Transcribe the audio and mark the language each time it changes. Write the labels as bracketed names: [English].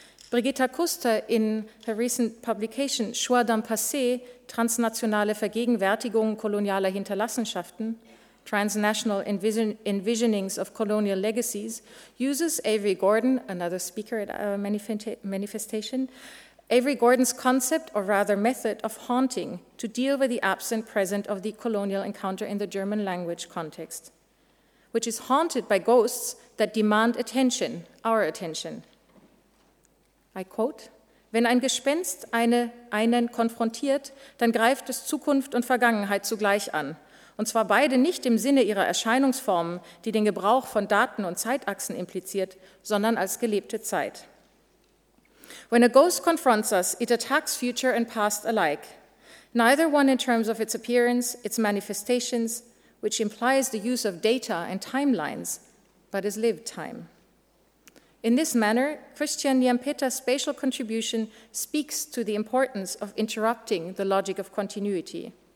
[English] Brigitta Kuster, in her recent publication, Choix d'un passé, Transnationale Vergegenwärtigung kolonialer Hinterlassenschaften, Transnational Envisionings of Colonial Legacies, uses Avery Gordon, another speaker at our manifestation, Avery Gordon's concept, or rather method, of haunting to deal with the absent present of the colonial encounter in the German language context, which is haunted by ghosts that demand attention, our attention. I quote, [German] wenn ein Gespenst einen konfrontiert, dann greift es Zukunft und Vergangenheit zugleich an. Und zwar beide nicht im Sinne ihrer Erscheinungsformen, die den Gebrauch von Daten und Zeitachsen impliziert, sondern als gelebte Zeit. [English] When a ghost confronts us, it attacks future and past alike. Neither one in terms of its appearance, its manifestations, which implies the use of data and timelines, but is lived time. In this manner, Christian Niampeter's spatial contribution speaks to the importance of interrupting the logic of continuity.